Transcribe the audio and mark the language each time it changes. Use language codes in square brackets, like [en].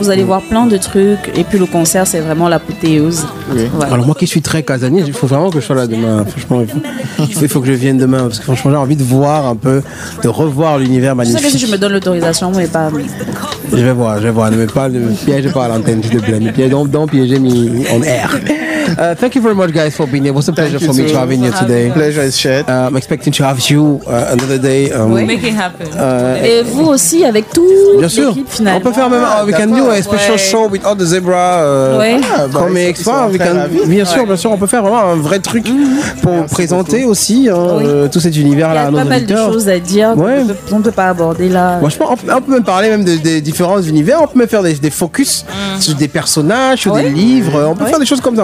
[fr] vous allez voir plein de trucs. Et puis le concert, c'est vraiment l'apothéose. Oui. Voilà. Alors, moi qui suis très casanier, il faut vraiment que je sois là demain. Franchement, il faut que je vienne demain. Parce que franchement, j'ai envie de voir un peu, de revoir l'univers magnifique. Je sais que si je me donne l'autorisation, mais pas. Je vais voir. Ne me piège pas à l'antenne, s'il te plaît. Donc, piégez en air. [en] Thank you very much, guys, for being here. It's a pleasure for me to have you here today. Pleasure is shared. I'm expecting to have you another day. We make it happen. [fr] Et vous aussi avec tout l'équipe finale. On peut faire même. [en] We can do a special show with all the zebra comics. [fr] Bien sûr, on peut faire vraiment un vrai truc pour présenter aussi tout cet univers-là à nos auditeurs. Il y a pas mal de choses à dire qu'on ne peut pas aborder là. Moi, je pense qu'on peut même parler même des différents univers. On peut même faire des focus sur des personnages, sur des livres. On peut faire des choses comme ça.